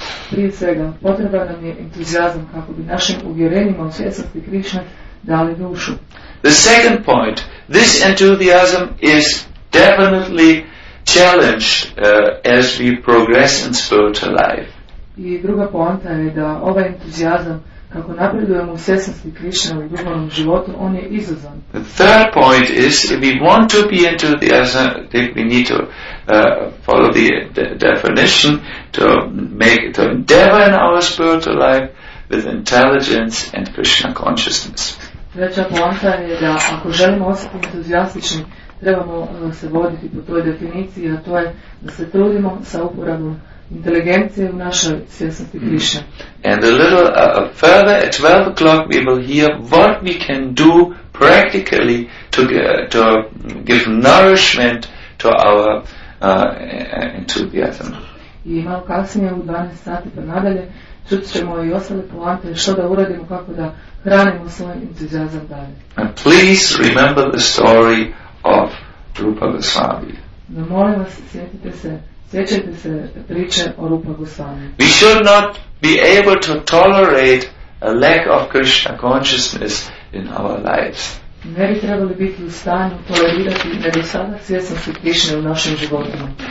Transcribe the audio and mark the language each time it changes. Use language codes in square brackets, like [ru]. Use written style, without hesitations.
[hr] Prije svega, potreba nam je entuzijazam kako bi našim uvjerenjima u svjesnosti Krišna dali dušu. [en] The second point, this enthusiasm is definitely challenged as we progress in spiritual life. [hr] I druga poanta je da ovaj entuzijazam kako napredujemo u svjesnosti Krišna u duhovnom životu, on je izazan. [en] The third point is, if we want to be enthusiastic, I think we need to follow the definition to endeavor in our spiritual life with intelligence and Krishna consciousness. [hr] Treća poanta je da ako želimo ostati entuzijastični, trebamo se voditi po toj definiciji, a to je da se trudimo sa uporabom inteligencije u našoj svjesnosti Krišna. [en] And a little further, at 12 o'clock we will hear what we can do practically to give nourishment to our enthusiasm. [hr] I malo kasnije u 12 sati pa nadalje čut ćemo i ostale poante što da uradimo kako da hranimo svoj entuzijazam dalje. [en] And please remember the story of Rupa Goswami. [hr] No, molim vas, sjećajte se priče o Rupa Goswami. [en] We should not be able to tolerate a lack of Krishna consciousness in our lives. [hr] Ne bi trebali biti u stanju tolerirati nedostatak svjesnosti Krišne u našim životima.